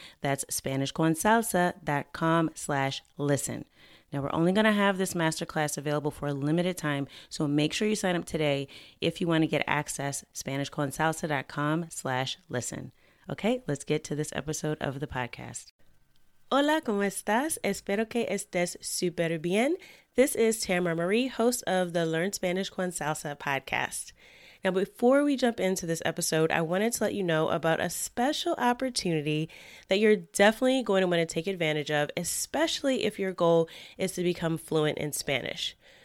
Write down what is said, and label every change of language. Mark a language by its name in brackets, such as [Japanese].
[English] That's SpanishConSalsa.com/listen. Now, we're only going to have this masterclass available for a limited time, so make sure you sign up today if you want to get access, SpanishConSalsa.com/listen. Okay, let's get to this episode of the podcast. [Spanish] Hola, ¿cómo estás? Espero que estés súper bien. [English] This is Tamara Marie, host of the Learn Spanish con Salsa podcast. Now, before we jump into this episode, I wanted to let you know about a special opportunity that you're definitely going to want to take advantage of, especially if your goal is to become fluent in Spanish.